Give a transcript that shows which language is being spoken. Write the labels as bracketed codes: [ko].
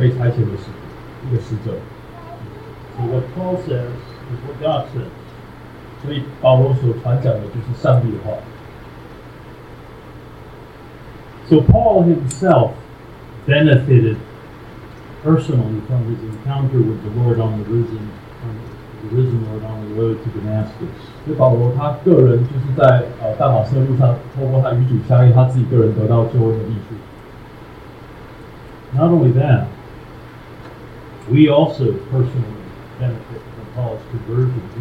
[zh] 所以我们的主耶稣他就是为他所差遣的那些人扮演的最好的榜样，什么叫做一个被差遣的使徒，一个使者。So [en] what Paul says is what God says. [zh] 所以保罗所传讲的就是上帝的话。So [en] Paul himself benefited personally from his encounter with the Lord on the risen. The risen Lord on the road to Damascus. [zh] 所以保罗他个人就是在大马士路上，透过他与主相遇，他自己个人得到救恩的益处。 [en] Not only that, we also personally benefit from Paul's conversion.